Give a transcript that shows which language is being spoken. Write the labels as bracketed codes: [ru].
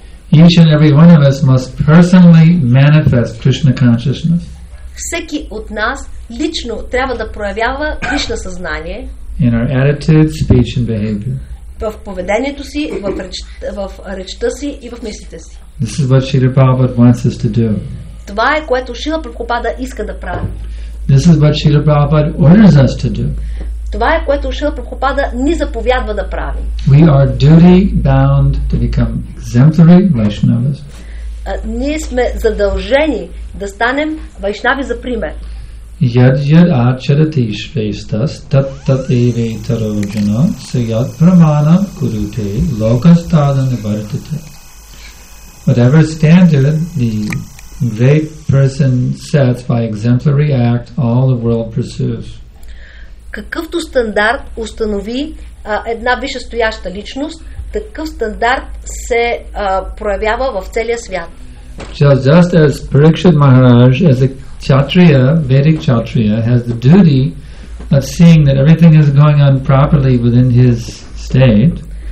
[en] Each and every one of us must personally manifest Krishna consciousness. [bg] Всеки от нас лично трябва да проявява Кришна съзнание. [en] In our attitude, speech and behavior. [bg] В поведението си, в речта си и в мислите си. [en] This is what Srila Prabhupada wants us to do. [bg] Това е което Шрила Прабхупада иска да прави. [en] This is what Srila Prabhupada orders us to do. [bg] Това е което Шрила Прабхупада ни заповядва да правим. [en] We are duty bound to become exemplary Vaishnavas. [bg] Ние сме задължени да станем вайшнави за пример. [sa] Yad yad acharati shvestas tat tat eve tarojana sayat pramana kurute lokastadana vartate. [en] Whatever standard the great person sets by exemplary act, all the world pursues. [bg] Какъвто стандарт установи една висшестояща личност, такъв стандарт се проявява в целия свят. [en] Just as Parikshit Maharaj, as a Kshatriya, Vedic Kshatriya, has the duty of seeing that everything is going on properly within his state.